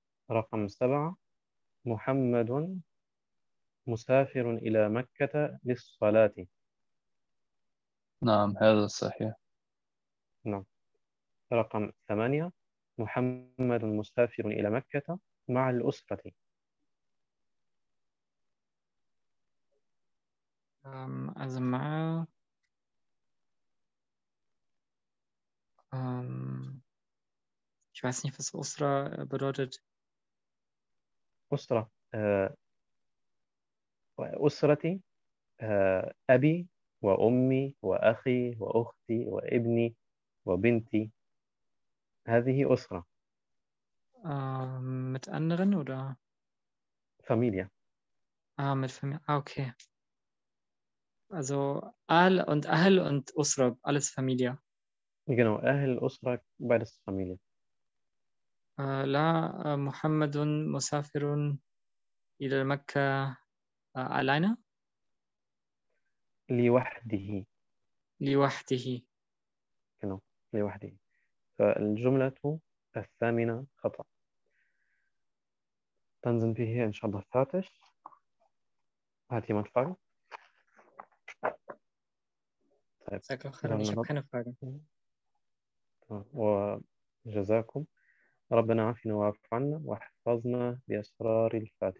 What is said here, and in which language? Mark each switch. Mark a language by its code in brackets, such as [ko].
[ar] رقم سبعة محمد مسافر إلى مكة للصلاة. نعم، هذا صحيح. نعم. رقم ثمانية محمد مسافر إلى مكة مع الأسرة. [de] أزمع ich weiß nicht, was Usra bedeutet. [ar] أسرة أسرتي أبي وأمي وأخي وأختي وابني وبنتي هذه أسرة [de] Mit anderen oder [ar] فاميليا [de] mit Familie. Ah, okay. Also Aal und Usra, alles Familie. [ar] genau أهل أسرة beides فاميليا لا محمد مسافر إلى مكة alleine لوحده لوحده. كنو لوحده فالجملة الثامنة خطأ [de] dann sind wir hier inshallah fertig hat jemand Fragen [ar] طيب [de] Sag doch, dann ich habe [ar] نرد [de] keine Fragen. [ar] وجزاكم ربنا عافنا واعف عنا واحفظنا بأسرار الفاتحة